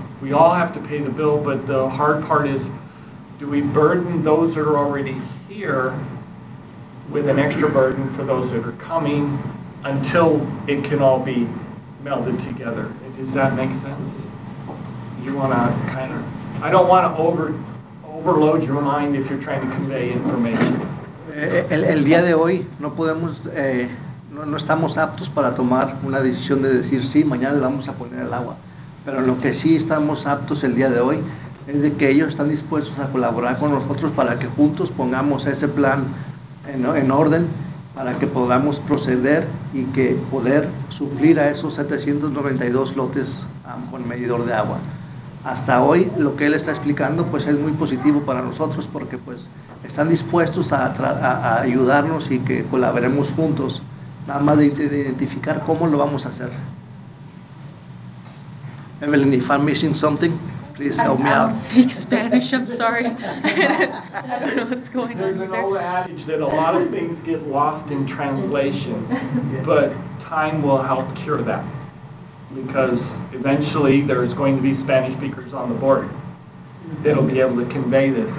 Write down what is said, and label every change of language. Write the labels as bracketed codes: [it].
[en] We all have to pay the bill, but the hard part is, do we burden those that are already here with an extra burden for those that are coming until it can all be melded together? Does that make sense? You want to kind of, I don't want to overload your mind if you're trying to convey information. Okay. [es] El día de hoy no podemos, no estamos aptos para tomar una decisión de decir sí, mañana le vamos a poner el agua. Pero lo que sí estamos aptos el día de hoy es de que ellos están dispuestos a colaborar con nosotros para que juntos pongamos ese plan en orden, para que podamos proceder y que poder suplir a esos 792 lotes con medidor de agua. Hasta hoy lo que él está explicando pues es muy positivo para nosotros, porque pues están dispuestos a ayudarnos y que colaboremos juntos, nada más de identificar cómo lo vamos a hacer. [en] Evelyn, if I'm missing something, please help me out. Speak Spanish, I'm sorry. I don't know what's going There's on. There's an old adage that a lot of things get lost in translation, but time will help cure that. Because eventually there is going to be Spanish speakers on the board that'll be able to convey this.